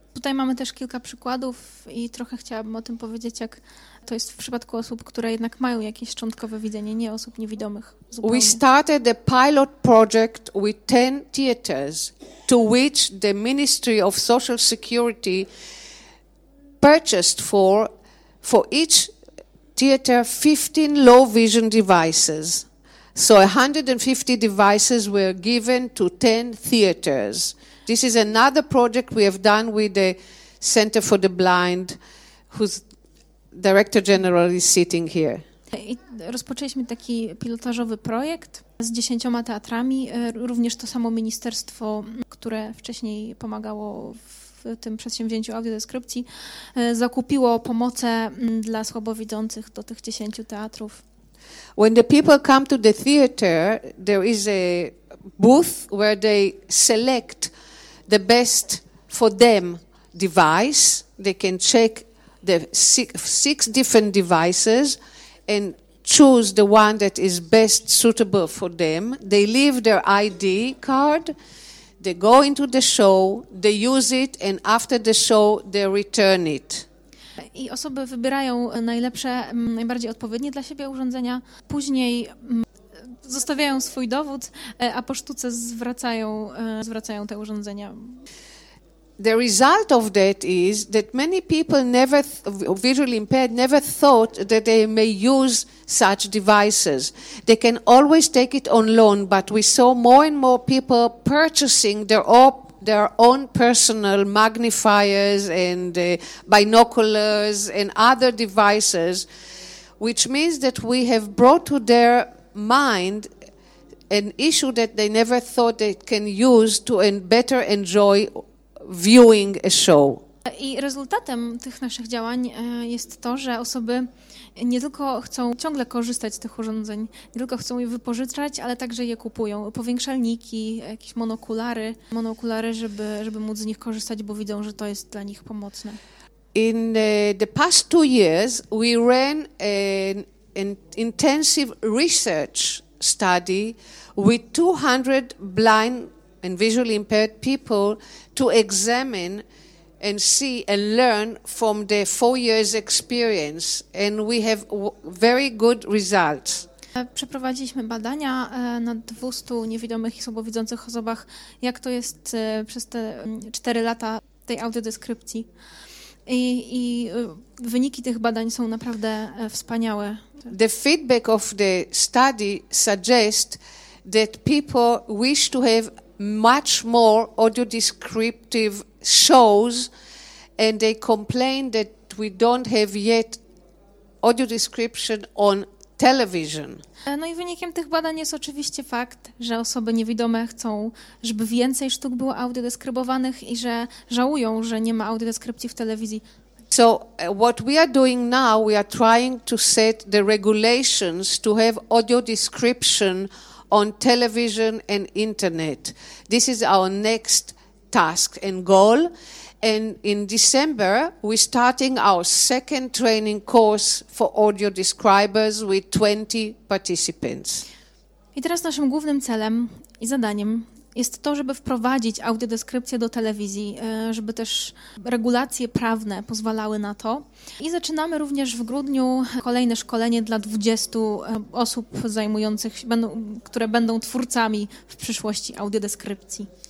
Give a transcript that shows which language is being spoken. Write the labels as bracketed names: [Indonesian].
[Polish] Tutaj mamy też kilka przykładów i trochę chciałabym o tym powiedzieć, jak to jest w przypadku osób, które jednak mają jakieś szczątkowe widzenie, nie osób niewidomych zupełnie. [English] We started a pilot project with 10 theaters to which the Ministry of Social Security purchased for each theater 15 low vision devices. So 150 devices were given to 10 theaters. This is another project we have done with the Center for the Blind, whose director general is sitting here. [Polish] I rozpoczęliśmy taki pilotażowy projekt z 10 teatrami, również to samo ministerstwo, które wcześniej pomagało w tym przedsięwzięciu audiodeskrypcji, zakupiło pomocę dla słabowidzących do tych 10 teatrów. [English] When the people come to the theater, there is a booth where they select the best for them device. They can check the six different devices and choose the one that is best suitable for them. They leave their ID card, they go into the show, they use it, and after the show they return it. [Polish] I osoby wybierają najlepsze, najbardziej odpowiednie dla siebie urządzenia. Później zostawiają swój dowód, a po sztuce zwracają te urządzenia. [English] The result of that is that many people never visually impaired never thought that they may use such devices. They can always take it on loan, but we saw more and more people purchasing their own personal magnifiers and binoculars and other devices, which means that we have brought to their mind an issue that they never thought they can use to better enjoy viewing a show. [Polish] I rezultatem tych naszych działań jest to, że osoby nie tylko chcą ciągle korzystać z tych urządzeń, nie tylko chcą je wypożyczać, ale także je kupują. Powiększalniki, jakieś monokulary, żeby móc z nich korzystać, bo widzą, że to jest dla nich pomocne. [English] In the past 2 years, we ran an intensive research study with 200 blind and visually impaired people to examine and see and learn from the 4 years experience, and we have very good results. [Polish] Przeprowadziliśmy badania na 200 niewidomych i słabowidzących osobach, jak to jest przez te 4 lata tej audiodeskrypcji. I wyniki tych badań są naprawdę wspaniałe. [English] The feedback of the study suggests that people wish to have much more audio descriptive shows, and they complain that we don't have yet audio description on television. [Polish] No i wynikiem tych badań jest oczywiście fakt, że osoby niewidome chcą, żeby więcej sztuk było audiodeskrybowanych i że żałują, że nie ma audiodeskrypcji w telewizji. [English] So what we are doing now, we are trying to set the regulations to have audio description on television and internet. This is our next task and goal. And in December, we're starting our second training course for audio describers with 20 participants. [Polish] I teraz naszym głównym celem i zadaniem jest to, żeby wprowadzić audiodeskrypcję do telewizji, żeby też regulacje prawne pozwalały na to. I zaczynamy również w grudniu kolejne szkolenie dla 20 osób zajmujących się, które będą twórcami w przyszłości audiodeskrypcji.